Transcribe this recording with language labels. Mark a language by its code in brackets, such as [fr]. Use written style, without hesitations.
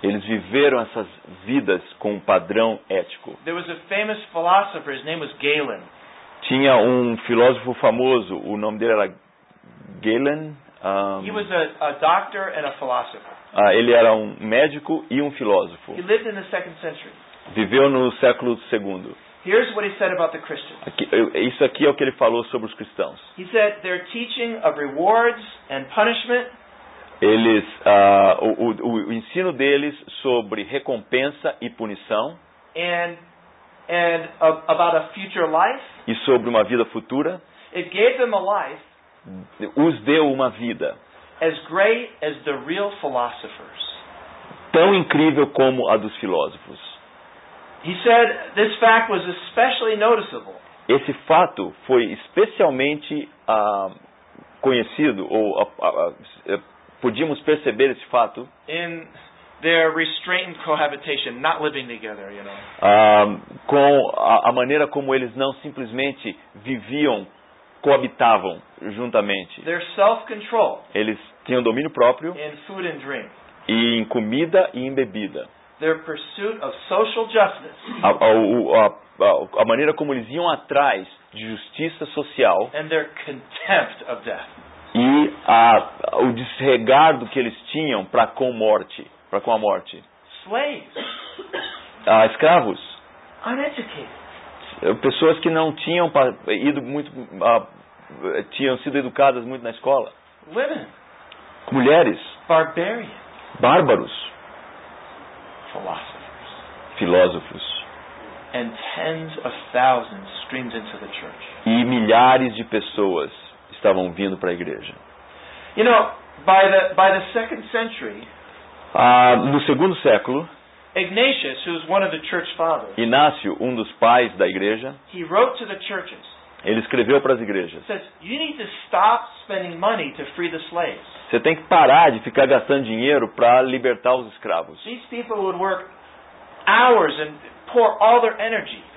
[pt] Eles viveram essas vidas com um padrão ético. [en] There was a famous philosopher, his name was Galen. [pt] Tinha um filósofo famoso, o nome dele era Galen. [en] He was a doctor and a philosopher. [pt] Ele era um médico e um filósofo. [en] He lived in the second century. [pt] Viveu no século II. [en] Here's what he said about the Christians. [pt] Isso aqui é o que ele falou sobre os cristãos. [en] He said their teaching of rewards and punishment. [pt] Eles, o ensino deles sobre recompensa e punição. [en] And about a future life. [pt] E sobre uma vida futura. [en] It gave them a life. [pt] Os deu uma vida. [en] As great as the real philosophers. [pt] Tão incrível como a dos filósofos. [en] He said this fact was especially noticeable. [pt] Esse fato foi especialmente conhecido ou podíamos perceber esse fato [en] in their restrained cohabitation, not living together, you know. [pt] Com a maneira como eles não simplesmente viviam, coabitavam juntamente. [en] Their self-control. [pt] Eles tinham domínio próprio. [en] In food and drink. [pt] E em comida e em bebida. [en] Their pursuit of social justice. [pt] A maneira como eles iam atrás de justiça social. [en] And their contempt of death. [pt] E o desregardo que eles tinham para com morte, para com a morte. [en] Slaves. [pt] Escravos. [en] Uneducated. [pt] Pessoas que não tinham ido muito, tinham sido educadas muito na escola. [en] Women. [pt] Mulheres. [en] Barbarians. [pt] Bárbaros. [en] Philosophers. [pt] Filósofos. [en] And tens of thousands streamed into the church. [pt] E milhares de pessoas estavam vindo para a igreja. [en] You know, by the second century, [pt] No segundo século, [en] Ignatius, who is one of the church fathers, [pt] Inácio, um dos pais da igreja, [en] he wrote to the churches, [pt] ele escreveu para as igrejas. [en] Says, you need to stop spending money to free the slaves. [pt] Você tem que parar de ficar gastando dinheiro para libertar os escravos. [en] These people would work hours and pour all their energy.